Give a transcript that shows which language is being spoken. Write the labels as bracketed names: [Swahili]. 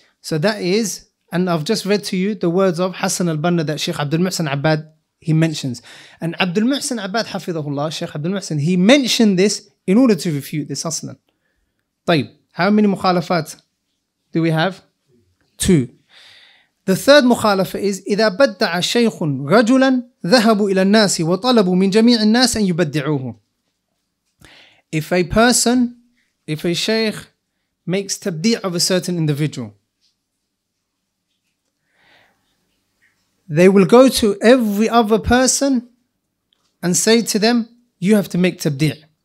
[English] So that is, and I've just read to you the words of Hassan al-Banna that Shaykh Abdul Muhsin Abad, he mentions. And Abdul Muhsin Abad hafidhahullah, Shaykh Abdul Muhsin, he mentioned this in order to refute this aslan. Tayyib. How many mukhalafat do we have? Two. The third mukhalafah is, [Arabic] إِذَا بَدَّعَ شَيْخٌ رَجُلًا ذَهَبُوا إِلَى النَّاسِ وَطَلَبُوا مِنْ جَمِيعِ النَّاسِ أَنْ يُبَدِّعُوهُ. [English] If a person, if a shaykh makes tabdi' of a certain individual, they will go to every other person and say to them, you have to make tabdi'.